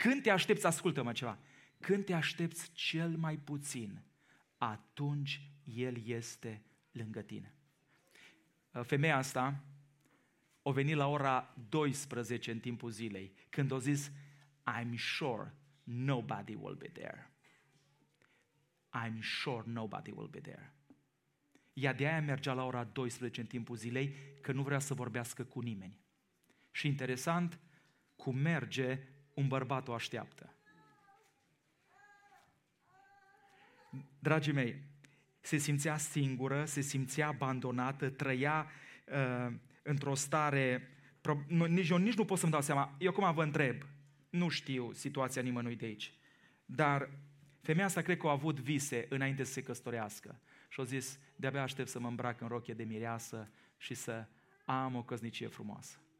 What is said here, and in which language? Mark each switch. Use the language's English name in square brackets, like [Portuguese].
[Romanian] Când te aștepți, ascultă-mă ceva, când te aștepți cel mai puțin, atunci El este lângă tine. Femeia asta a venit la ora 12 în timpul zilei, când a zis, [English] I'm sure nobody will be there. I'm sure nobody will be there. [Romanian] Ea de aia mergea la ora 12 în timpul zilei, că nu vrea să vorbească cu nimeni. Și interesant, cum merge, un bărbat o așteaptă. Dragii mei, se simțea singură, se simțea abandonată, trăia într-o stare, nici nu pot să-mi dau seama, eu acum vă întreb, nu știu situația nimănui de aici, dar femeia asta cred că a avut vise înainte să se căsătorească și a zis, de-abia aștept să mă îmbrac în rochie de mireasă și să am o căsnicie frumoasă.